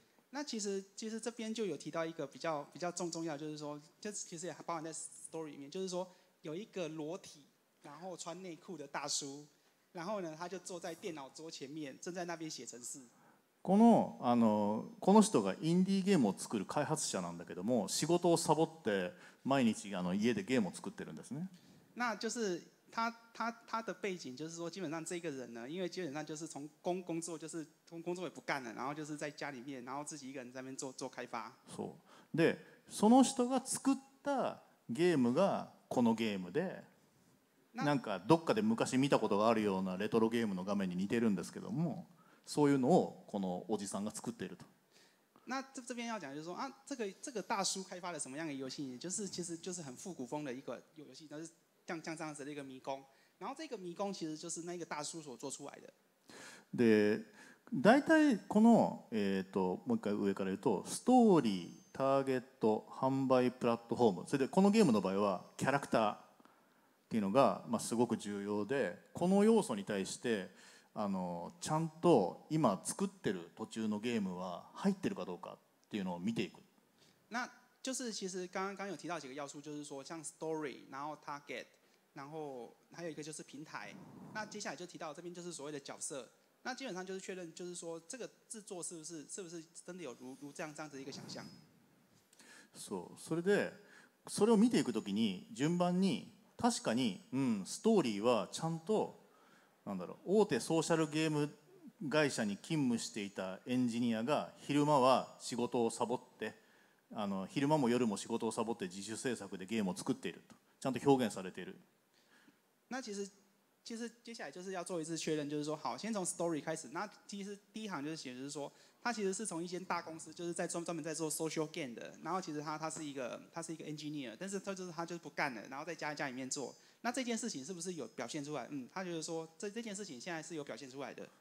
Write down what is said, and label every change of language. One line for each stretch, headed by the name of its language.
Chinese: 那其实这边就有提到一个比较重要，就是说，这其实也包含在 story 里面，就是说有一个裸体，然后穿内裤的大叔，然后呢，他就坐在电脑桌前面，正在那边写程式。
Japanese: この人がインディーゲームを作る開発者なんだけども、仕事をサボって毎日家でゲームを作ってるんですね。
Chinese: 那就是他的背景，就是说基本上这个人呢，因为基本上就是从工作就是从工作也不干了，然后就是在家里面，然后自己一个人在那边做开发。
Japanese: そう。で、その人が作ったゲームがこのゲームで、なんかどっかで昔見たことがあるようなレトロゲームの画面に似てるんですけども。そういうのをこのおじさんが作っていると。
Chinese: 那这边要讲就是说啊，这个大叔开发了什么样的游戏？就是很复古风的一个游戏，就是像这样子的一个迷宫。然后这个迷宫其实就是那个大叔所做出来的。
Japanese: で、大体このもう一回上から言うと、ストーリー、ターゲット、販売プラットフォーム、それでこのゲームの場合はキャラクターっていうのがまあすごく重要で、この要素に対して。ちゃんと今作ってる途中のゲームは入ってるかどうかっていうのを見ていく。
Chinese: 那就是其实刚有提到几个要素，就是说像 story， 然后 target， 然后还有一个就是平台。那接下来就提到这边就是所谓的角色。那基本上就是确认，就是说这个制作是不是真的有如这样子一个想象。
Japanese: そう、それでそれを見ていくときに順番に確かにストーリーはちゃんと。なんだろう、大手ソーシャルゲーム会社に勤務していたエンジニアが昼間は仕事をサボって昼間も夜も仕事をサボって自主制作でゲームを作っているとちゃんと表現されている。
Chinese: 那其实接下来就是要做一次确认，就是说好，先从 story 开始。那其实第一行就是写，就是说他其实是从一间大公司，就是在专门在做 social game 的。然后其实他是一个 engineer， 但是他就是不干了，然后在家里面做。那这件事情是不是有表现出来？他就是说这件事情现在是有表现出来的。